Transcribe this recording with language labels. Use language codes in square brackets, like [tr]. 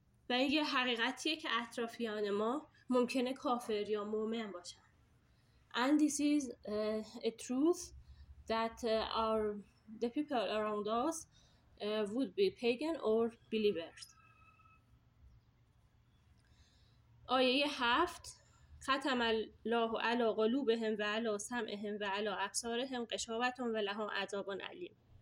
[fa] و این یه حقیقتیه که اطرافیان ما ممکنه کافر یا مؤمن باشن. [en] And this is a truth that the people around us would be pagan or believers. [ar] آیه 7 ختم الله علی قلوبهم و علی سمعهم و علی ابصارهم قشاوتهم و لهم عذاب علیم.